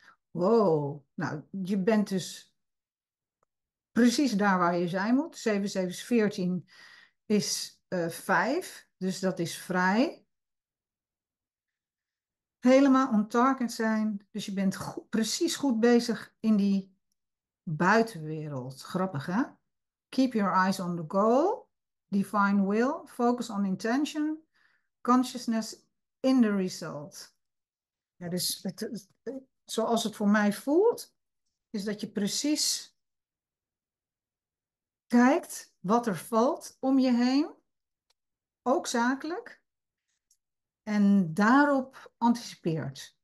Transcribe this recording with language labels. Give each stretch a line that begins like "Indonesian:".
Dutch: Wow, nou, je bent dus precies daar waar je zijn moet. 7, 7, 14 is 5, dus dat is vrij. Helemaal on target zijn, dus je bent precies goed bezig in die buitenwereld. Grappig, hè?
English: Keep your eyes on the goal. Divine will, focus on intention, consciousness in the result.
Dutch: Ja, dus zoals het voor mij voelt, is dat je precies kijkt wat er valt om je heen, ook zakelijk, en daarop anticipeert.